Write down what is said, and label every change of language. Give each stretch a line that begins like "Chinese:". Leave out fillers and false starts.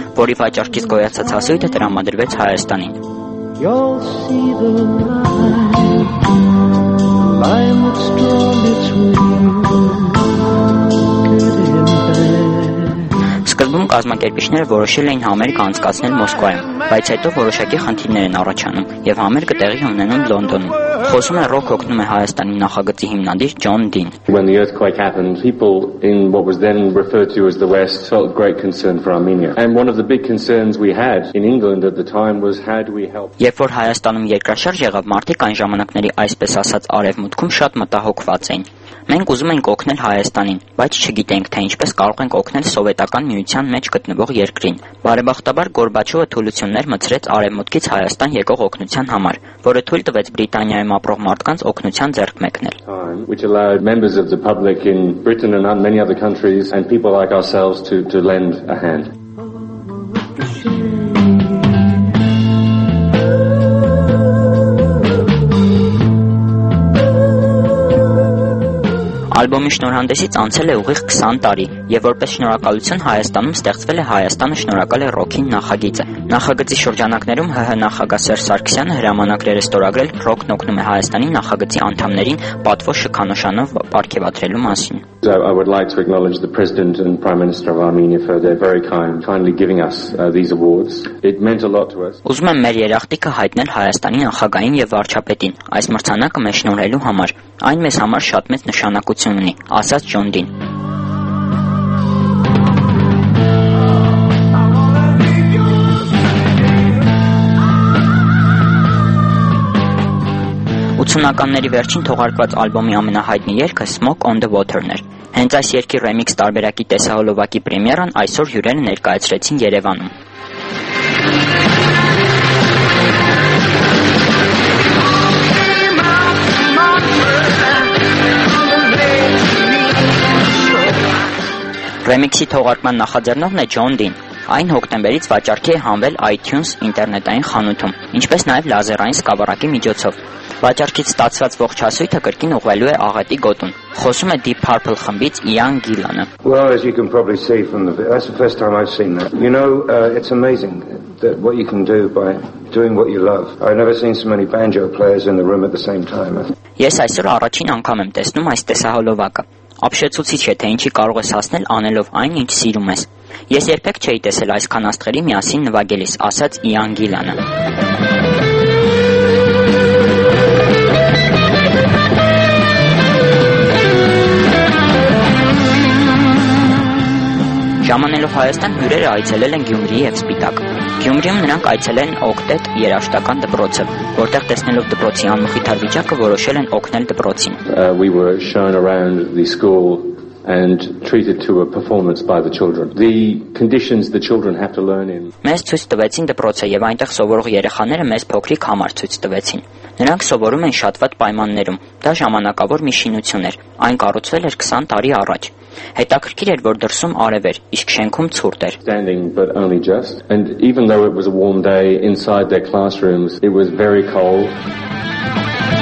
Armenian: որի վաճառքից գոյացած հասույթը տրամադրվեց Հայաստանին։ Սկզբում կազմակերպիչները որոշել էին համերգ անցկացնել Մոսկվայում, բայց հետո որոշակի խնդիրներ են առաջանում և համերգը տեղի ունենում Լոնդոնում։ Խոսում է ռոք օգնում է Հայաստանի նախագծի հիմնադիր Ջոն Դին։
English: When the earthquake happened, people in what was then referred to as the West felt great concern for Armenia. And one of the big concerns we had in England at the time was how do we help.
Armenian: Երբ որ Հայաստանում երկրաշարժ եղավ, մարդիկ այն ժամանակների այսպես ասած արևմուտքում շատ մտահոգված էին։ Մենք ուզում ենք օգնել Հայաստանին, բայց չգիտենք, թե ինչպես կարող ենք օգնել սովետական միության մեջ գտնվող երկրին։ Բարեբախտաբար Գորբաչովը թուլություններ մտցրեց արևմուտքից Հայաստան եկող օգնության համար, որը թույլ տվեց Բրիտանիայում ապրող մարդկանց օգնության ձեռք մեկնել։
English: Which allowed members of the public in Britain and many other countries and people like ourselves to lend a hand.
Armenian: Ալբոմի շնորհանդեսից անցել է ուղիղ 20 տարի, և որպես շնորհակալություն Հայաստանում ստեղծվել է Հայաստանը շնորհակալ է ռոքին նախագիծը։ Նախագծի շրջանակներում ՀՀ նախագահ Սերժ Սարգսյանը հրամանագրեր է ստորագրել ռոքն օգնում է Հայաստանի նախագծի անդամներին պատվո շքանշանով պարգևատրելու մասին։
English: I would like to acknowledge the President and Prime Minister of Armenia for their very kindly giving us these awards. It meant a lot to us.
Armenian: Ուզում եմ մեր երախտիկը հայտնել Հայաստանի նախագահին և վարչապետին այս մրցանակը մեզ շնորհելու համար։ Այն մեզ համար շատ մեծ նշանակություն ունի, ասաց Ջոն Դին։ Ութունականների վերջին թողարկված ալբոմի ամենահայտնի երգը Smoke on the Water-ն էր։ Հենց այս երգի ռեմիքս տարբերակի տեսահոլովակի պրեմիերան այսօր հյուրերը ներկայացրեցին Երևանում։ Ռեմիքսի թողարկման նախաձեռնողն է Ջոն Դին։ Այն հոկտեմբերից վաճարկի է հանվել iTunes ինտերնետային խանութում, ինչպես նաև լազերային սկավառակի միջոցով։ Վաճարկից ստացված ողջ հասույթը կրկին ուղղվելու է աղետի գոտուն։ Խոսում է Deep Purple խմբից Իան Գիլանը։
English: Well, as you can probably see from the video, that's the first time I've seen that. You know, it's amazing that what you can do by doing what you love. I've never seen so many banjo players in the room at the same time.
Armenian: Ես այսօր առաջին անգամ եմ տեսնում այս տեսահոլովակը։ Աբշեցուցիչ է, թե ինչի կարող ես հասնել անելով այն, ինչ սիրում ես։ Ես երբեք չէի տեսել այսքան աստղերի միասին նվագելիս, ասաց Իան Գիլանը։ Ժամանելով Հայաստան, հյուրերը այցելել են Գյումրի և Սպիտակ։ Գյումրիում նրանք այցելեն Օկտետ երաժշտական դպրոցը, որտեղ տեսնելով դպրոցի անմխիթար վիճակը որոշել են օգնել դպրոցին։
English: We were shown around the school and treated to a performance by the children. The conditions the children have to learn in.
Armenian: Մեզ ցույց տվեցին դպրոցը եւ այնտեղ սովորող երեխաները մեզ փոքրիկ համար ցույց տվեցին։ Նրանք սովորում են շատ վատ պայմաններում։ Դա ժամանակավոր մի շինություն էր, այն կառուցվել էր 20 տարի առաջ։ Հետաքրքիր էր, որ դրսում արև էր, իսկ շենքում ցուրտ էր.
English: Standing but only just, and even though it was a warm day inside their classrooms, it was very cold.